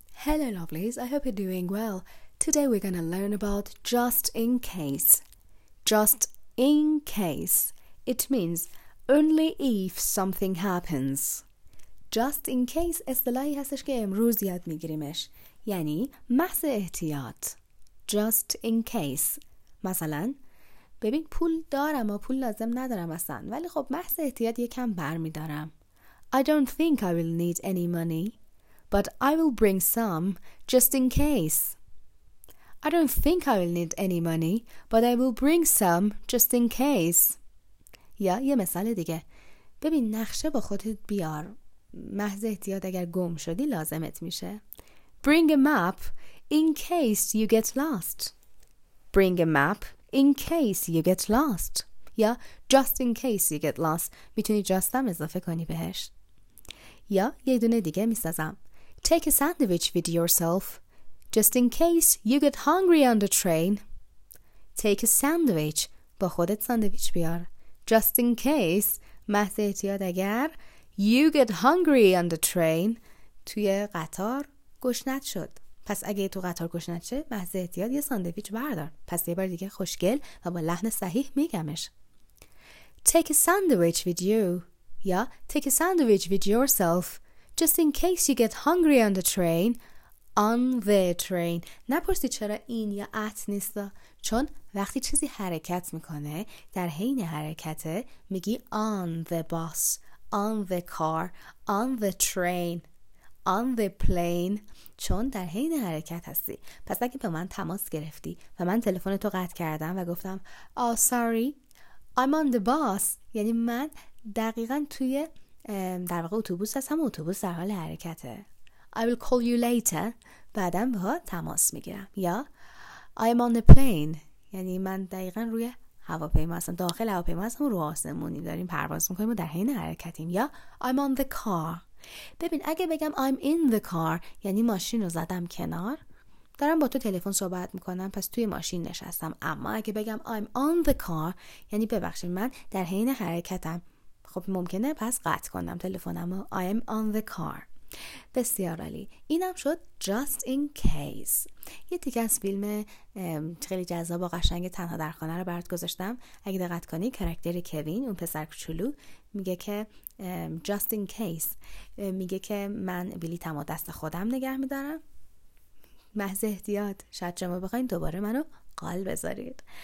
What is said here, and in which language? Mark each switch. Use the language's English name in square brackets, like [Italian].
[English] Hello lovelies, I hope you're doing well. Today we're going to learn about just in case. Just in case. It means only if something happens. Just in case [Persian] اصطلاحی هستش که امروز یاد میگیریمش. یعنی محض احتیاط. [English] Just in case. [Persian] مثلا ببین پول دارم و پول لازم ندارم اصلا. ولی خب محض احتیاط یکم بر میدارم. [English] I don't think I will need any money. But I will bring some, just in case. I don't think I will need any money, but I will bring some, just in case. [Persian] یا یه مثال دیگه. ببین نقشه با خودت بیار. محض احتیاط اگر گم شدی لازمت میشه. [English] Bring a map, in case you get lost. Bring a map, in case you get lost. [Persian] یا [English] just in case you get lost. [Persian] میتونی just هم اضافه کنی بهش. یا یه دونه دیگه میسازم. [English] Take a sandwich with yourself, just in case you get hungry on the train. Take a sandwich, [Persian] با خودت ساندویچ بیار. [English] Just in case, [Persian] محض احتیاط اگر, [English] you get hungry on the train, [Persian] توی قطار گشنت شد. پس اگه تو قطار گشنت شد, محض احتیاط یه ساندویچ بردار. پس یه بار دیگه خوشگل و با لحن صحیح میگمش. [English] Take a sandwich with you, [Persian] یا [English] take a sandwich with yourself. Just in case you get hungry on the train. On the train. [Persian] نپرسی چرا این یا at نیست. چون وقتی چیزی حرکت میکنه در حین حرکته میگی [English] on the bus, on the car, on the train, on the plane. [Persian] چون در حین حرکت هستی. پس اگه به من تماس گرفتی و من تلفن تو قطع کردم و گفتم [English] Oh sorry, I'm on the bus. [Persian] یعنی من دقیقا توی در واقع اتوبوس هستم، اتوبوس در حال حرکته. [English] I will call you later. [Persian] بعدم با تماس میگیرم. یا [English] I am on a plane. [Persian] یعنی من دقیقا روی هواپیما هستم، داخل هواپیما هستم و رو آسمونی داریم پرواز میکنیم و در حین حرکتیم. یا [English] I'm on the car. [Persian] ببین اگه بگم [English] I'm in the car [Persian] یعنی ماشین رو زدم کنار، دارم با تو تلفن صحبت میکنم پس توی ماشین نشستم. اما اگه بگم [English] I'm on the car [Persian] یعنی ببخشید من در حین حرکتم، خب ممکنه پس قطع کنم تلفنمو. [English] I am on the car. [Persian] بسیار عالی. اینم شد [English] just in case. [Persian] یه دیگه از فیلم خیلی جذاب و قشنگ تنها در خانه رو برات گذاشتم. اگه دقت کنی کاراکتر کوین، اون پسر کوچولو، میگه که [English] just in case، [Persian] میگه که من بلیتمو دست خودم نگه میدارم محض احتیاط، شاید شما بخواید دوباره منو قال بذارید.